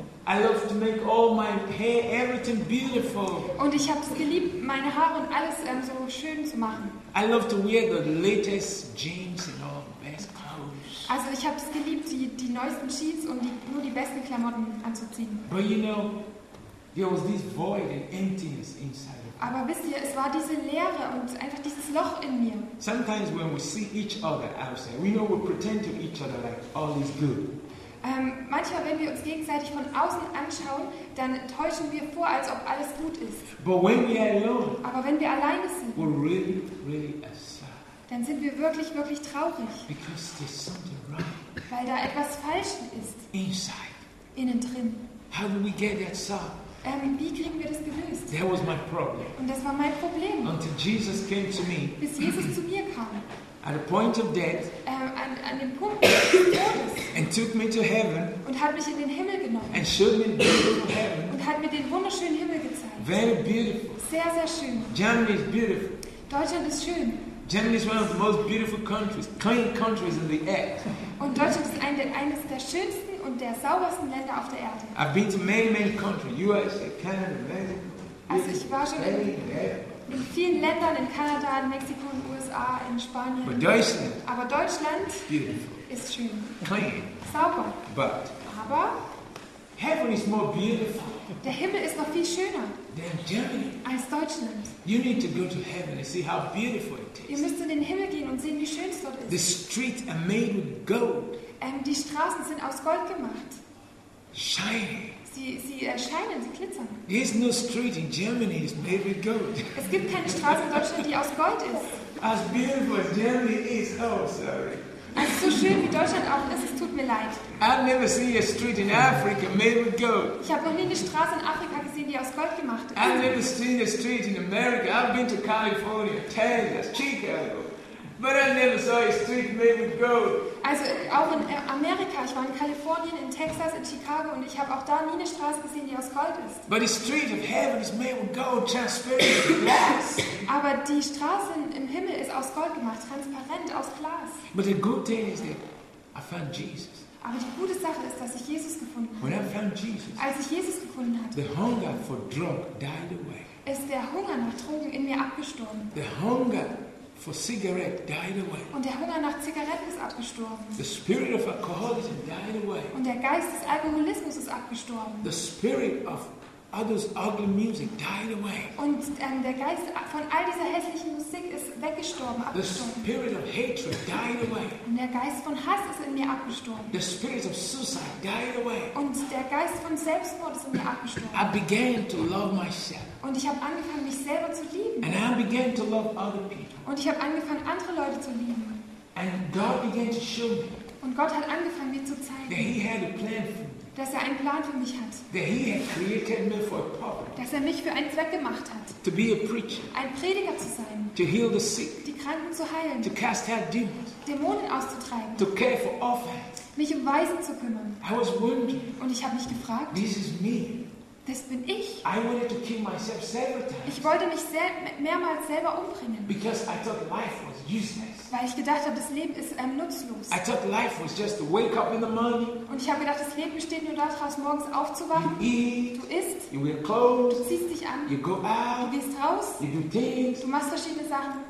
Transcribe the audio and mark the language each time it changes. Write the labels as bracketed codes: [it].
[en] I love to make all my hair, everything beautiful. [de] Und ich habe es geliebt, meine Haare und alles so schön zu machen. [en] I love to wear the latest jeans and all the best clothes. [de] Also ich habe es geliebt, die neuesten Jeans und nur die besten Klamotten anzuziehen. [en] But you know, there was this void and emptiness inside. [de] Aber wisst ihr, es war diese Leere und einfach dieses Loch in mir. [en] Sometimes when we see each other outside, we know we pretend to each other like all is good. [de] Manchmal, wenn wir uns gegenseitig von außen anschauen, dann täuschen wir vor, als ob alles gut ist. [en] But when we are alone, [de] aber wenn wir alleine sind, [en] we're really, really sad. [de] Dann sind wir wirklich, wirklich traurig. [en] Because there's something wrong. [de] Weil da etwas falsch ist. [en] Inside. [de] Innen drin. [en] How do we get that solved? [de] Wie kriegen wir das gelöst? [en] That was my problem. [de] Und das war mein Problem. [en] Until Jesus came to me. [de] Bis Jesus zu mir kam. [en] At the point of death, [de] an dem Punkt des Todes, [en] and took me to heaven, [de] und hat mich in den Himmel genommen, [en] and showed me the beautiful heaven, [de] und hat mir den wunderschönen Himmel gezeigt. [en] Very beautiful. [de] Sehr, sehr schön. [en] Germany is beautiful. [de] Deutschland ist schön. [en] Germany is one of the most beautiful countries, clean countries in the earth. [de] Und Deutschland ist eines der schönsten und der saubersten Länder auf der Erde. [en] I've been to many, many countries, USA, Canada, Mexico. [de] Also ich war schon in vielen Ländern, in Kanada, in Mexiko, in USA, in Spanien. [en] But Deutschland, [de] aber Deutschland [en] beautiful. [de] Ist schön. [en] Clean. [de] Sauber. [en] But [de] aber [en] heaven is more beautiful. [de] Der Himmel ist noch viel schöner als Deutschland. [en] You need to go to heaven and see how beautiful it is. [de] Ihr müsst in den Himmel gehen und sehen, wie schön es dort ist. [en] The streets are made with gold. [de] Die Straßen sind aus Gold gemacht. [en] Shining. [de] Sie erscheinen, sie glitzern. [en] There's no street in Germany is made with gold. [de] Es gibt keine Straße in Deutschland, die aus Gold ist. [en] As beautiful as Germany is, oh sorry. [de] Also so schön wie Deutschland auch ist, es tut mir leid. [en] I've never seen a street in Africa made with gold. [de] Ich habe noch nie eine Straße in Afrika gesehen, die aus Gold gemacht ist. [en] I've never seen a street in America. I've been to California, Texas, Chicago. But I never saw a street made with gold. [de] Also auch in Amerika. Ich war in Kalifornien, in Texas, in Chicago und ich habe auch da nie eine Straße gesehen, die aus Gold ist. [en] But the street of heaven is made with gold, transparent glass. [de] Aber die Straße im Himmel ist aus Gold gemacht, transparent, aus Glas. [en] But the good thing is that I found Jesus. [de] Aber die gute Sache ist, dass ich Jesus gefunden habe. [en] When I found Jesus, [de] als ich Jesus gefunden hatte, [en] the hunger for drug died away. [de] Ist der Hunger nach Drogen in mir abgestorben. [en] The hunger for cigarette died away. [de] Und der Hunger nach Zigaretten ist abgestorben. [en] The spirit of alcoholism died away. [de] Und der Geist des Alkoholismus ist abgestorben. [en] The spirit of others ugly music died away. [de] Und der Geist von all dieser hässlichen Musik ist weggestorben, abgestorben. [en] The spirit of hatred died away. [de] Und der Geist von Hass ist in mir abgestorben. [en] The spirit of suicide died away. [de] Und der Geist von Selbstmord ist in mir abgestorben. [en] I began to love myself. [de] Und ich habe angefangen, mich selber zu lieben. [en] And I began to love other people. [de] Und ich habe angefangen, andere Leute zu lieben. [en] And God began to show me. [de] Und Gott hat angefangen, mir zu zeigen, [en] that he had a plan for me. [de] Dass er einen Plan für mich hat. [en] That he had created me for a purpose. [de] Dass er mich für einen Zweck gemacht hat. [en] To be a preacher. [de] Ein Prediger zu sein. [en] To heal the sick. [de] Die Kranken zu heilen. [en] To cast out demons. [de] Dämonen auszutreiben. [en] To care for orphans. [de] Mich um Waisen zu kümmern. [en] I was wondering. [de] Und ich habe mich gefragt, [en] this is me. [de] Das bin ich. [en] I wanted to kill myself several times. [de] Ich wollte mich mehrmals selber umbringen. [en] Because I thought life was useless. [de] Weil ich gedacht habe, das Leben ist nutzlos. [en] I thought life was just to wake up in the morning. [de] Und ich habe gedacht, das Leben besteht nur daraus, morgens aufzuwachen. [en] You eat, [de] du isst. [en] You wear clothes, [de] du ziehst dich an. [en] You go out, [de] du gehst raus. [en] You do things, [de] du machst verschiedene Sachen.